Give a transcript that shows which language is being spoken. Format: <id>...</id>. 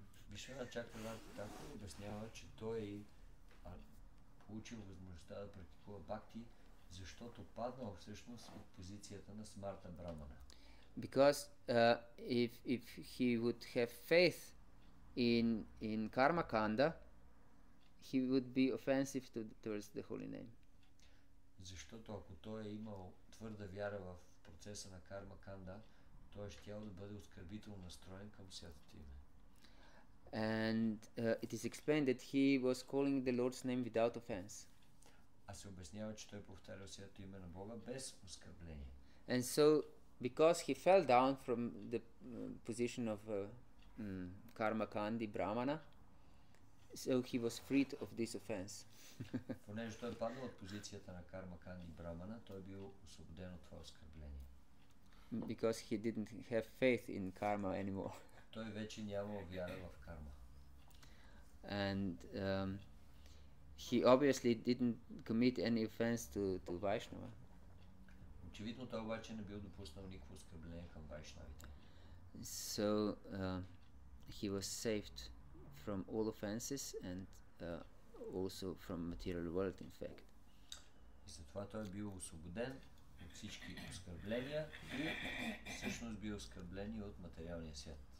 <bg>Vishwamana Chakravarti така обяснява, че той получил възможността да практикува бхакти, защото паднал всъщност от позицията на смарта брамана.</bg> <en>Because if he would have faith in karma kanda, he would be offensive towards the holy name.</en> <bg>Защото ако той е имал твърда вяра в процеса на карма канда, той щял да бъде оскърбително настроен към святото име.</bg> <en>And it is explained that he was calling the Lord's name without offense.</en> <bg>А се обяснява, че той повтарял святото име на Бога без оскърбление.</bg> <en>And so, because he fell down from the position of karma kandi brahmana, so he was freed of this offense.</en> <bg>Понеже той паднал от позицията на карма канди брамана, той бил освободен от това оскърбление.</bg> <en>Because he didn't have faith in karma anymore.</en> <bg>Той вече нямал вяра в карма.</bg> <en>And he obviously didn't commit any offense to Vaishnava.</en> <bg>Очевидно той обаче не бил допуснал никакво оскърбление към вайшнавите.</bg> <en>So he was saved from all offenses and also from material world, in fact.</en> <bg>И затова той е бил освободен от всички оскърбления и всъщност бил оскърблен от материалния свят.</bg>